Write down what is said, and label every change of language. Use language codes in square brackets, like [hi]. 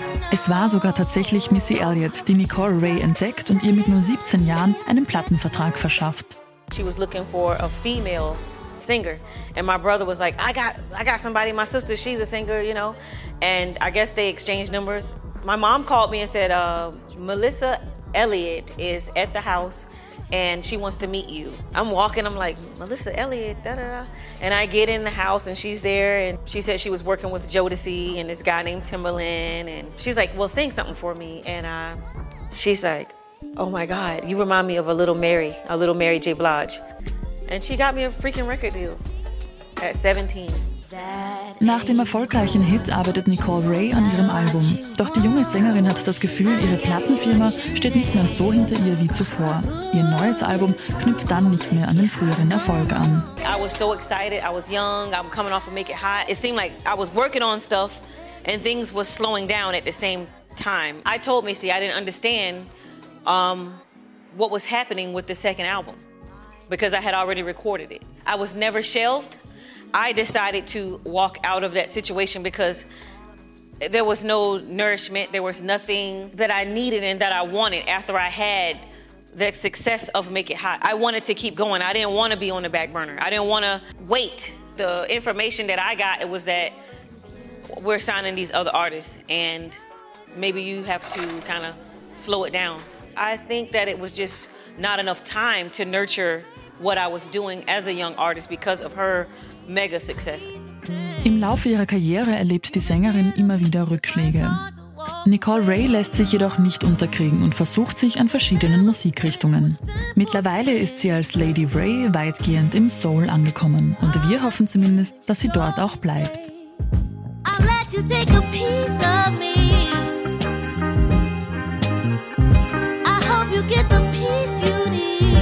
[de] Es war sogar tatsächlich Missy Elliott, die Nicole Ray entdeckt und ihr mit nur 17 Jahren einen Plattenvertrag verschafft. [en] She was looking for a female singer and my brother was like, I got somebody, my sister, she's a singer, you know. And I guess they exchanged numbers. My mom called me and said, Melissa Elliott is at the house and she wants to meet you. I'm walking, I'm like, Melissa Elliott, da da da. And I get in the house and she's there and she said she was working with Jodeci and this guy named Timbaland. And she's like, well, sing something for me. And she's like, oh my God, you remind me of a little Mary J. Blige. And she got me a freaking record deal at 17. [de] Nach dem erfolgreichen Hit arbeitet Nicole Ray an ihrem Album. Doch die junge Sängerin hat das Gefühl, ihre Plattenfirma steht nicht mehr so hinter ihr wie zuvor. Ihr neues Album knüpft dann nicht mehr an den früheren Erfolg an. [en] I was so excited. I was young. I'm coming off of Make It Hot. It seemed like I was working on stuff and things were slowing down at the same time. I told Missy I didn't understand what was happening with the second album because I had already recorded it. I was never shelved. I decided to walk out of that situation because there was no nourishment, there was nothing that I needed and that I wanted after I had the success of Make It Hot. I wanted to keep going. I didn't want to be on the back burner. I didn't want to wait. The information that I got, it was that we're signing these other artists and maybe you have to kind of slow it down. I think that it was just not enough time to nurture what I was doing as a young artist because of her mega success. [de] Im Laufe ihrer Karriere erlebt die Sängerin immer wieder Rückschläge. Nicole Ray lässt sich jedoch nicht unterkriegen und versucht sich an verschiedenen Musikrichtungen. Mittlerweile ist sie als Lady Ray weitgehend im Soul angekommen und wir hoffen zumindest, dass sie dort auch bleibt. [en] I'll let you take a piece of me. I hope you get the piece you need.